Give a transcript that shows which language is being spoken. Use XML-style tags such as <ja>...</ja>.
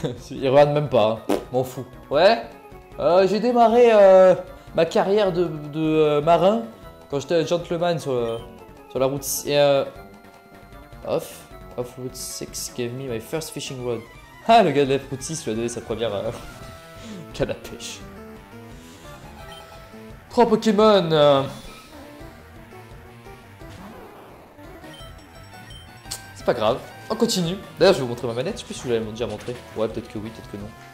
<fr>Il regarde même pas, hein. M'en fous. Ouais, j'ai démarré ma carrière de marin quand j'étais un gentleman sur la route.</fr> <en>Off route 6 gave me my first fishing rod.</en> <fr>Ah, le gars de la route 6 lui a donné sa première canne à pêche. 3 Pokémon. C'est pas grave. On continue. D'ailleurs, je vais vous montrer ma manette. Je sais plus si vous l'avez déjà montré. Ouais, peut-être que oui, peut-être que non.</fr>